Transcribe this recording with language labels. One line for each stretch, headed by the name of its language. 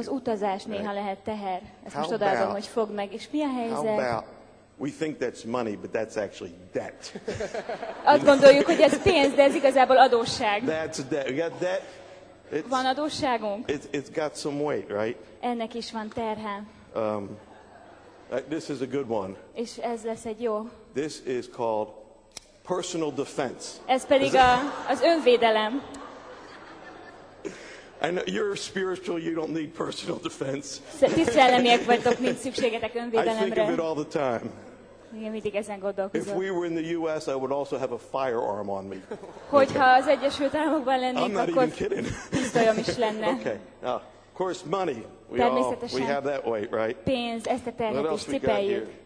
Hungarian: Az utazás néha lehet teher. Ezt most odaadom, hogy fogd meg. És mi a helyzet?
English: We think that's money, but that's actually debt.
Hungarian: Azt gondoljuk, hogy ez pénz, de ez igazából adósság.
English: That's debt. We got debt.
Hungarian: It's, van adósságunk?
English: It's got some weight, right?
Hungarian: Ennek is van terhe.
English: This is a good one.
Hungarian: És ez lesz egy jó.
English: This is called personal defense.
Hungarian: Ez pedig az önvédelem.
English: I know you're spiritual, you don't need personal defense.
Hungarian: Ti szellemiek vagytok, nincs szükségetek önvédelemre.
English: I think of it all the time.
Hungarian: Igen, mindig ezen gondolkozom.
English: If we were in the US, I would also have a firearm on me.
Hungarian: Hogyha az Egyesült Államokban lennék, akkor pisztolyom is lenne.
English: Okay. Now, of course, money. We have that weight, right?
Hungarian: Pénz, ezt a terhet is cipeljük.